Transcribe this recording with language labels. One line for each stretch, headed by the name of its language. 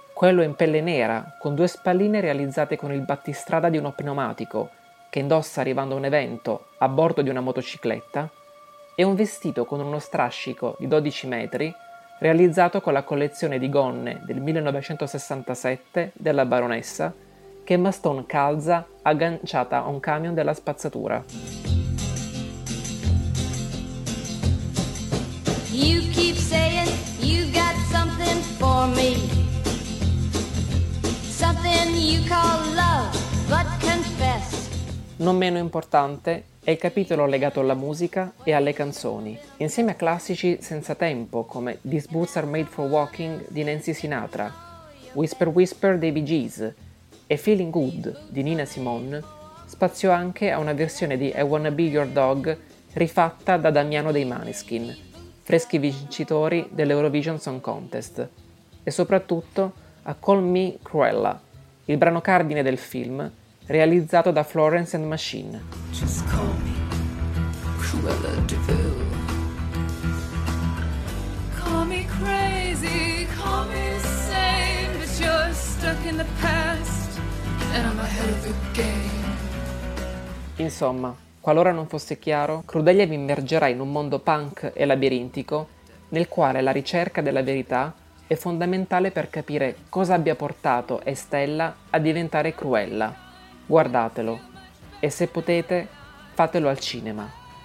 Italian: Quello in pelle nera, con due spalline realizzate con il battistrada di uno pneumatico, che indossa arrivando a un evento a bordo di una motocicletta, e un vestito con uno strascico di 12 metri, realizzato con la collezione di gonne del 1967 della baronessa, che Emma Stone calza agganciata a un camion della spazzatura.
English: You keep saying you got something for me. Something you call love, but confess.
Italian: Non meno importante è il capitolo legato alla musica e alle canzoni. Insieme a classici senza tempo come These Boots Are Made For Walking di Nancy Sinatra, Whisper Whisper dei Bee Gees e Feeling Good di Nina Simone, spazio anche a una versione di I Wanna Be Your Dog rifatta da Damiano dei Maneskin, freschi vincitori dell'Eurovision Song Contest, e soprattutto a Call Me Cruella, il brano cardine del film, realizzato da Florence and Machine.
English: Just call me Cruella De Vil. Call me crazy, call me sane, but you're stuck in the past and I'm ahead of the game.
Italian: Insomma, qualora non fosse chiaro, Crudelia vi immergerà in un mondo punk e labirintico nel quale la ricerca della verità è fondamentale per capire cosa abbia portato Estella a diventare Cruella. Guardatelo, e se potete, fatelo al cinema.